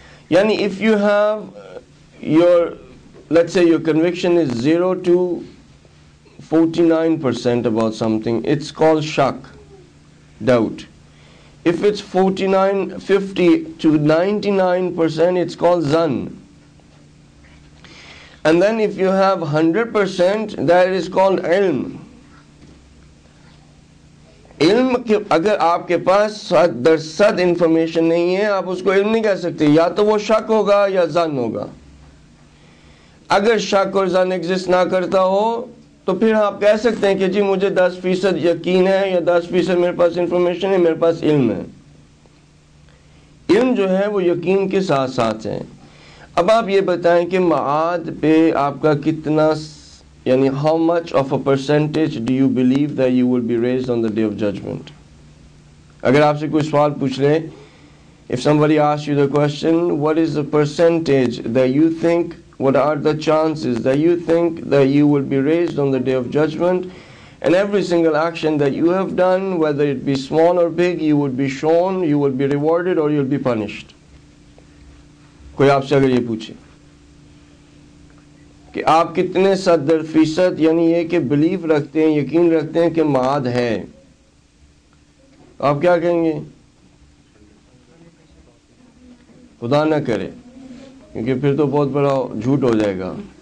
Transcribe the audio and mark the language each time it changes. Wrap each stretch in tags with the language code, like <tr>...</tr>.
<en>Yani if you have your, let's say your conviction is 0 to 49% about something, it's called shak, doubt. If it's 50 to 99%, it's called zan. And then if you have 100%, that is called ilm.</en> <ur>علم کے اگر آپ کے پاس درصد information نہیں ہے, آپ اس کو علم نہیں کہہ سکتے. یا تو وہ شک ہوگا یا زن ہوگا. اگر شک اور زن ایگزسٹ نہ کرتا ہو تو پھر آپ کہہ سکتے ہیں کہ جی مجھے 10% یقین ہے یا 10% میرے پاس انفارمیشن ہے, میرے پاس علم ہے. علم جو ہے وہ یقین کے ساتھ ساتھ ہے. اب آپ یہ بتائیں کہ معاد پہ آپ کا کتنا,</ur> <en>yani how much of a percentage do you believe that you will be raised on the Day of Judgment?</en> <ur>Agar aap se koi sawal pooch le,</ur> <en>if somebody asks you the question, what is the percentage that you think, what are the chances that you think that you will be raised on the Day of Judgment, and every single action that you have done, whether it be small or big, you would be shown, you will be rewarded or you'll be punished.</en> <ur>Koi aap se agar ye pooche کہ آپ کتنے 70%, یعنی یہ کہ belief رکھتے ہیں, یقین رکھتے ہیں کہ معاد ہے, آپ کیا کہیں گے؟ خدا نہ کرے, کیونکہ پھر تو بہت بڑا جھوٹ ہو جائے گا.</ur>